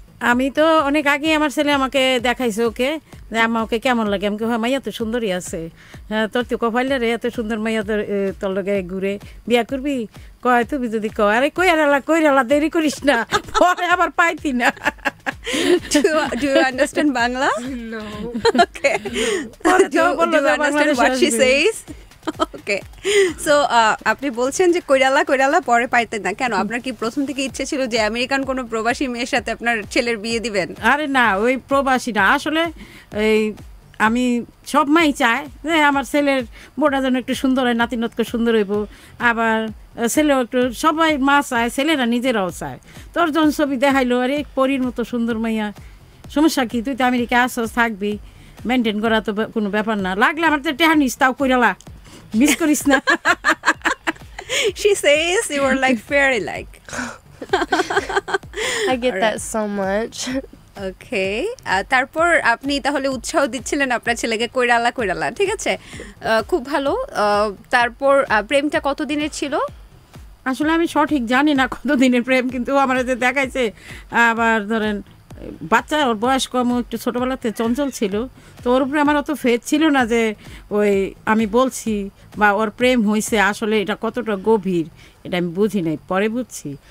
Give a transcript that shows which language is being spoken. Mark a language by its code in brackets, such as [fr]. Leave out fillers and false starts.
[bn] আমি তো অনেক আগে আমার ছেলে আমাকে দেখাইছে ওকে, যে আমা ওকে কেমন লাগে, আমাকে হয় মাইয়া তো সুন্দরী আছে, হ্যাঁ তোর তো কফাই রে এত সুন্দর মাইয়া তোর তোর লগে ঘুরে বিয়া করবি, কয় তুমি যদি কয়, আরে কই রালা কই রালা, দেরি করিস না, পরে আবার পাইতি না। [en] Do you understand Bangla? No. Okay. Do you understand what she says? [bn] Okay, so আপনি বলছেন যে কৈরালা কৈরালা পরে পাইতেন না, কেন আপনার কি প্রথম থেকে ইচ্ছে ছিল যে আমেরিকান কোনো প্রবাসী মেয়ের সাথে আপনার ছেলের বিয়ে দিবেন? আরে না, ওই প্রবাসী না, আসলে এই আমি সব মাই চায় যে আমার ছেলের বোনা যেন একটু সুন্দর হয়, নাতিনাতকে সুন্দর হইব, আবার ছেলেও একটু, সবাই মা চায়, ছেলেরা নিজেরাও চায়, তোর যখন ছবি দেখাইলো আরে পরীর মতো সুন্দর মাইয়া, সমস্যা কি, তুই তো আমেরিকা আসছ থাকবি, মেনটেন করা তো কোনো ব্যাপার না, লাগলে আমার তো টেহানিস তাও কৈরালা মিস করিস না। [en] She says you are like fairy like. I get that so much. Okay. [bn] তারপর আপনি তাহলে উৎসাহ দিচ্ছিলেন আপনার ছেলেকে কৈরালা কৈরালা, ঠিক আছে, খুব ভালো। তারপর প্রেমটা কতদিনের ছিল? আসলে আমি সঠিক জানি না কতদিনের প্রেম, কিন্তু আমার যে দেখাইছে, আবার ধরেন বাচ্চা ওর বয়স কম, একটু ছোটোবেলাতে চঞ্চল ছিল, তো ওর উপরে আমার অত ফেদ ছিল না যে ওই আমি বলছি বা ওর প্রেম হয়েছে, আসলে এটা কতটা গভীর এটা আমি বুঝি নাই, পরে বুঝছি।